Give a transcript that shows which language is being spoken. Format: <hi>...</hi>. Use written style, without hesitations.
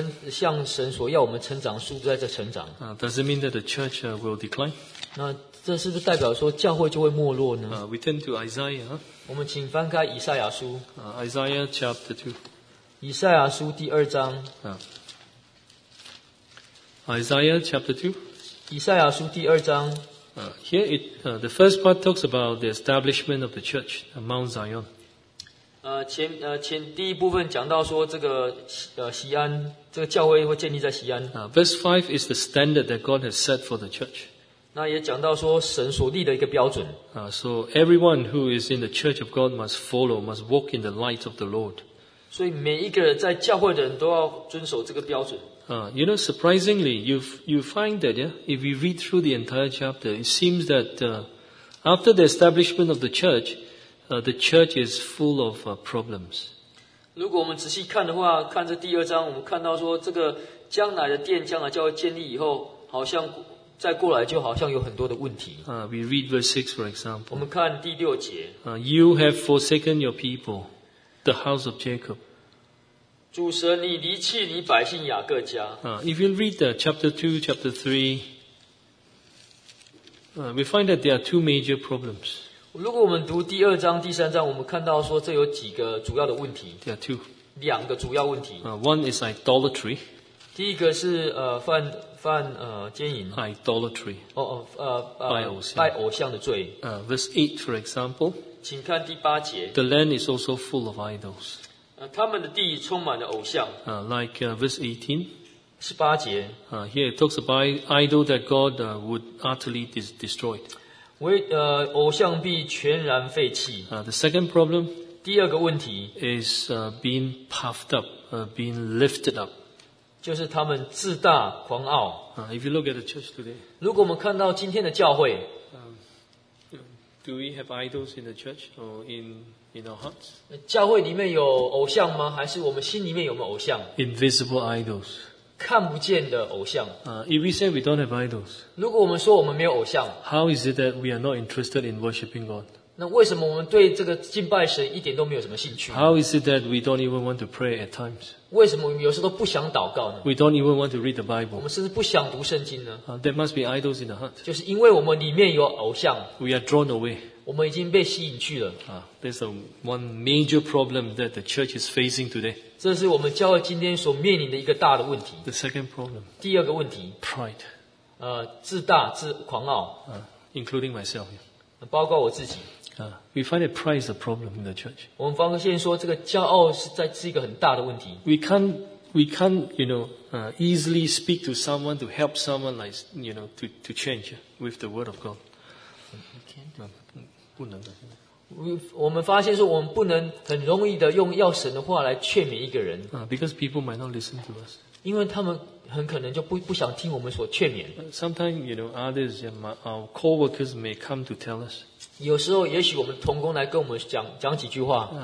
<zh>像神所要我们成长速度在这成长。</zh> <en>Does it mean that the church will decline?</en> <zh>那这是不是代表说教会就会没落呢？</zh> <en>We turn to Isaiah.</en> <zh>我们请翻开以赛亚书。</zh> <en>Isaiah chapter 2.</en> <zh>以赛亚书第二章。</zh> <en>Isaiah chapter 2.</en> <zh>以赛亚书第二章。</zh> <en>Here it, the first part talks about the establishment of the church at Mount Zion.</en> <zh>前第一部分讲到说这个西安这个教会会建立在西安。</zh> <en>Verse 5 is the standard that God has set for the church.</en> <zh>那也讲到说神所立的一个标准。</zh> <en>So everyone who is in the church of God must follow, must walk in the light of the Lord.</en> <zh>所以每一个人在教会的人都要遵守这个标准。</zh> <en>You know, surprisingly, you find that, yeah, if you read through the entire chapter, it seems that, after the establishment of the church,the church is full of problems.</en> <zh>如果我们仔细看的话，看这第二章，我们看到说，这个将来的殿，将来教会建立以后，好像再过来就好像有很多的问题。</zh> <en>We read verse 6 for example.</en> <zh>我们看第六节。</zh> <en>You have forsaken your people, the house of Jacob.</en> <zh>主神，你离弃你百姓雅各家。</zh> <en>If you read the chapter 2, chapter 3, we find that there are two major problems.</en> <zh>如果我们读第二章、第三章，我们看到说这有几个主要的问题。</zh> <en>There are two.</en> <zh>两个主要问题。</zh> <en>One is idolatry.</en> <zh>第一个是犯奸淫。</zh> <en>Idolatry.</en> <zh>拜偶像。拜偶像的罪。</zh> <en>Verse 8, for example.</en> <zh>请看第八节。</zh> <en>The land is also full of idols.</en> <zh>他们的地充满了偶像。</zh> <en>Verse 18.</en> <zh>十八节。</zh> <en>Here it talks about idol that God would utterly destroy.</en> <zh>偶像必全然废弃。</zh> <en>The second problem,</en> <zh>第二个问题</zh> <en>is being puffed up, being lifted up.</en> <zh>就是他们自大狂傲。</zh> <en>If you look at the church today,</en> <zh>如果我们看到今天的教会，</zh> <en>do we have idols in the church or in our hearts?</en> <zh>教会里面有偶像吗？还是我们心里面有没有偶像？</zh> <en>Invisible idols.</en> <zh>看不见的偶像。</zh> <en>If we say we don't have idols,</en> <zh>如果我们说我们没有偶像，</zh> <en>how is it that we are not interested in worshiping God?</en> <zh>那为什么我们对这个敬拜神一点都没有什么兴趣？</zh> <en>How is it that we don't even want to pray at times?</en> <zh>为什么我们有时候都不想祷告呢？</zh> <en>We don't even want to read the Bible.</en> <zh>我们甚至不想读圣经呢？</zh> <en>There must be idols in the heart.</en> <zh>就是因为我们里面有偶像。</zh> <en>We are drawn away.</en> <zh>我们已经被吸引去了。</zh> <en>There's one major problem that the church is facing today.</en> <zh>这是我们教会今天所面临的一个大的问题。</zh> <en>The second problem.</en> <zh>第二个问题。</zh> <en>Pride.</en> <zh>自大、自狂傲。</zh> <en>Including myself.</en> <zh>包括我自己。</zh> <en>We find that pride is a problem in the church.</en> <zh>我们发现说这个骄傲是一个很大的问题。</zh> <en>We can't easily speak to someone to help someone like, you know, to change with the word of God. We can't.</en> <zh>不能的。我们发现说我们不能很容易的用要神的话来劝勉一个人。</zh> <en>Because people might not listen to us.</en> <zh>因为他们很可能就不想听我们所劝勉。</zh> <en>Sometimes, you know, others, our co-workers may come to tell us.</en> <zh>有时候也许我们同工来跟我们讲几句话。</zh>